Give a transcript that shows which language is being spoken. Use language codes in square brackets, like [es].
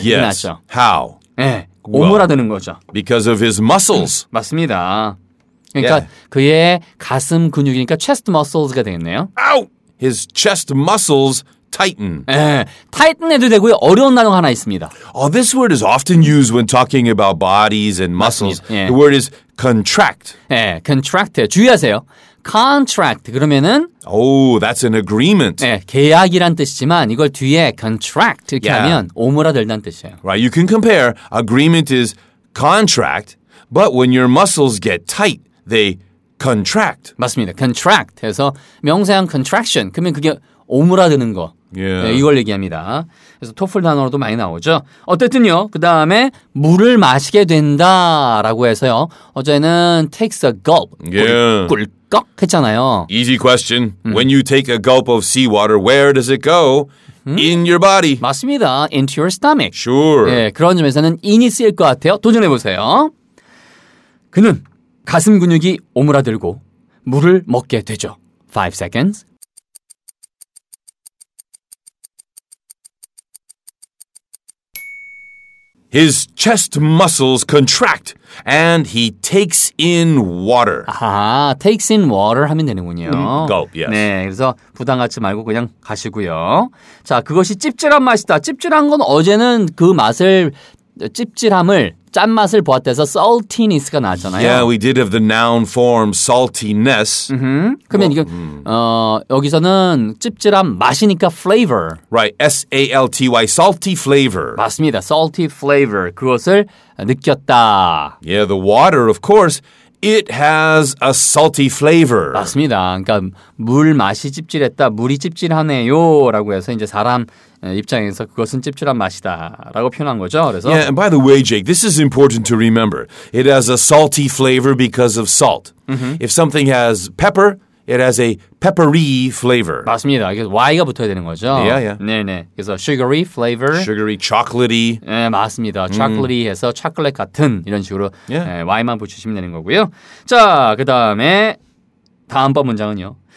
[en] Yes. How? [ko] 네. 오므라드는 well, 거죠. [en] Because of his muscles. [ko] 맞습니다. 그러니까 yeah. 그의 가슴 근육이니까 [en] chest muscles [ko] 가 되겠네요. [en] Ow! His chest muscles tighten. [ko] 네. Tighten 해도 되고요. 어려운 단어 하나 있습니다. [en] Oh, this word is often used when talking about bodies and muscles. [ko] 네. [en] The word is contract. [ko] 네. Contract. 주의하세요. Contract. 그러면은 [en] Oh, that's an agreement. [ko] 네, 계약이란 뜻이지만 이걸 뒤에 contract 이렇게 yeah. 하면 오므라들다는 뜻이에요. [en] Right. You can compare agreement is contract, but when your muscles get tight, they contract. [ko] 맞습니다. Contract. 해서 명사형 contraction. 그러면 그게 오므라드는 거. [en] Yeah. [ko] 네, 이걸 얘기합니다. 그래서 토플 단어로도 많이 나오죠. 어쨌든요. 그다음에 물을 마시게 된다라고 해서요. 어제는 [en] takes a gulp. [ko] 꿀꿀. [en] Yeah. [ko] 꺽 했잖아요. [en] Easy question. When you take a gulp of seawater, where does it go? In your body. [ko] 맞습니다. [en] Into your stomach. Sure. [ko] 네, 그런 점에서는 in이 쓰일 것 같아요. 도전해보세요. 그는 가슴 근육이 오므라들고 물을 먹게 되죠. [en] 5 seconds. His chest muscles contract and he takes in water. [ko] 아, [en] takes in water [ko] 하면 되는군요. [en] Gulp, yes. [ko] 네, 그래서 부담 갖지 말고 그냥 가시고요. 자, 그것이 찝찝한 맛이다. 찝찝한 건 어제는 그 맛을 찝찝함을 짠맛을 보았대서 saltiness가 나왔잖아요. [en] Yeah, we did have the noun form saltiness. [ko] Mm-hmm. 그러면 well, 이게, 여기서는 찝찝한 맛이니까 flavor. [en] Right, S-A-L-T-Y, salty flavor. [ko] 맞습니다, [en] salty flavor. [ko] 그것을 느꼈다. [en] Yeah, the water, of course, it has a salty flavor. [ko] 맞습니다. 그러니까 물 맛이 찝찝했다, 물이 찝찝하네요 라고 해서 이제 사람 입장에서 그것은 찝찝한 맛이다라고 표현한 거죠. 그래서 [en] Yeah, and by the way, Jake, this is important to remember. It has a salty flavor because of salt. Mm-hmm. If something has pepper, it has a peppery flavor. [ko] 맞습니다. 그래서 Y가 붙어야 되는 거죠. [en] Yeah, yeah. [ko] 네네. 그래서 sugary flavor. [en] Sugary, chocolatey. [ko] 네, 맞습니다. Chocolatey해서 초콜릿 같은 이런 식으로 [en] yeah. [ko] 네, Y만 붙이시면 되는 거고요. 자, 그다음에 다음번 문장은요.